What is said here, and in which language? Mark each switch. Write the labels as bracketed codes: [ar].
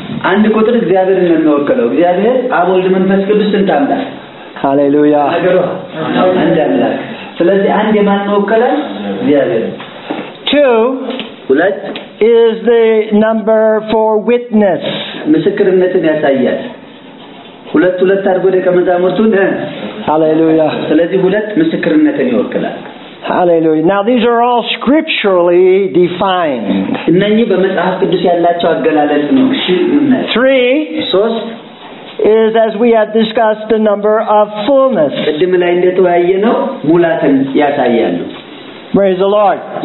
[am] አንድ ቁጥር እግዚአብሔርን ነው የሚወክለው እግዚአብሔር አብ ወልድ መንፈስ ቅዱስ እንታምላ ሃሌሉያ አገሩ አንድ አምላክ ስለዚህ አንድ የማን ነው የሚወክለው እግዚአብሔር [en] 2 [am] ሁለት [en] is the number for witness [am] ምስክርነትን ያሳያል ሁለት ሁለት አርጎ ደቀመዛሙርቱን ሃሌሉያ ስለዚህ ሁለት ምስክርነትን ይወክላል [en] Hallelujah. Now these are all scripturally defined. Three is, as we have discussed, the number of fullness. Praise the Lord.